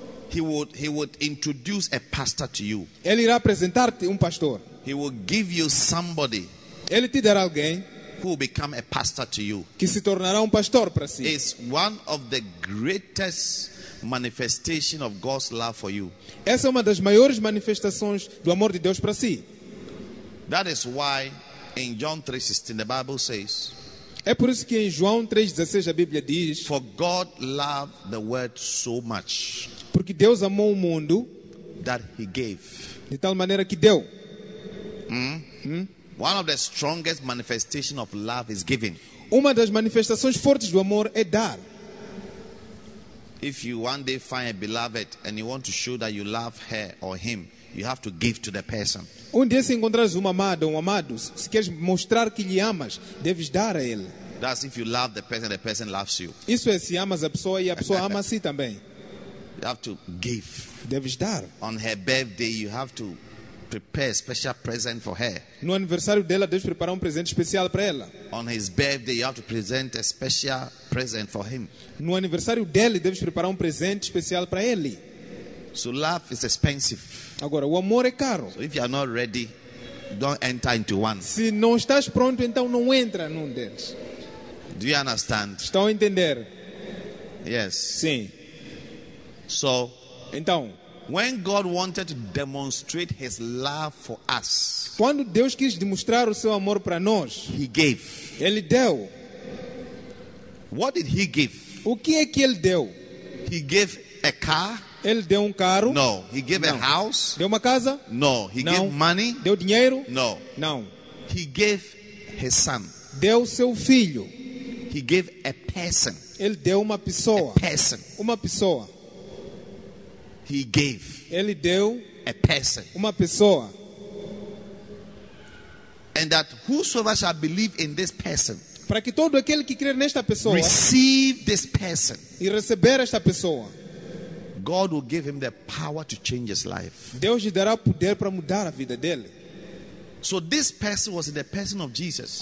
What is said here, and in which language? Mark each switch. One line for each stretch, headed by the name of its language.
English: He would introduce a pastor to you.
Portuguese: Ele irá apresentar-te pastor.
English: He will give you somebody.
Portuguese: Ele te dará alguém
English: who will become a pastor to you.
Portuguese: Que se tornará pastor para si.
English: It's one of the greatest manifestation of God's love for you.
Portuguese: Essa é das maiores manifestações do amor de Deus para si.
English: That is why in John 3:16 the Bible says,
Portuguese: é por isso que em João 3:16 a Bíblia diz,
English: for God loved the world so much,
Portuguese: porque Deus amou o mundo,
English: that he gave,
Portuguese: de tal maneira que deu.
English: One of the strongest manifestation of love is giving.
Portuguese: Uma das manifestações fortes do amor é dar.
English: If you one day find a beloved and you want to show that you love her or him, you have to give to the person.
Portuguese: Dia se encontrares amada ou amado, se queres mostrar que lhe amas, deves dar a ele.
English: That's if you love the person loves you.
Portuguese: Isso é se amas a pessoa e a pessoa ama a si também.
English: You have to give.
Portuguese: Deves dar.
English: On her birthday, you have to prepare a special present for her.
Portuguese: No aniversário dela, deves preparar presente especial para ela.
English: On his birthday, you have to present a special present for him.
Portuguese: No aniversário dele, deves preparar presente especial para ele.
English: So love is expensive.
Portuguese: Agora, o amor é caro.
English: So if you are not ready, don't enter into one.
Portuguese: Se não estás pronto, então não entra num deles.
English: Do you understand?
Portuguese: Estão a entender?
English: Yes.
Portuguese: Sim.
English: So,
Portuguese: então,
English: when God wanted to demonstrate his love for us,
Portuguese: quando Deus quis demonstrar o seu amor para nós,
English: he gave.
Portuguese: Ele deu.
English: What did he give?
Portuguese: O que é que ele deu?
English: He gave a car.
Portuguese: Ele deu carro?
English: No, he gave a house?
Portuguese: Deu casa?
English: No, he gave money?
Portuguese: Deu dinheiro?
English: No.
Portuguese: Não.
English: He gave his son.
Portuguese: Deu seu filho.
English: He gave a person.
Portuguese: Ele deu uma pessoa.
English: A person.
Portuguese: Uma pessoa.
English: He gave.
Portuguese: Ele deu
English: a person.
Portuguese: Uma pessoa.
English: And that whosoever shall believe in this person.
Portuguese: Para que todo aquele que crer nesta pessoa.
English: Receive this person.
Portuguese: E receber esta pessoa.
English: God will give him the power to change his life.
Portuguese: Deus lhe dará poder para mudar a vida dele.
English: So this person was the person of Jesus.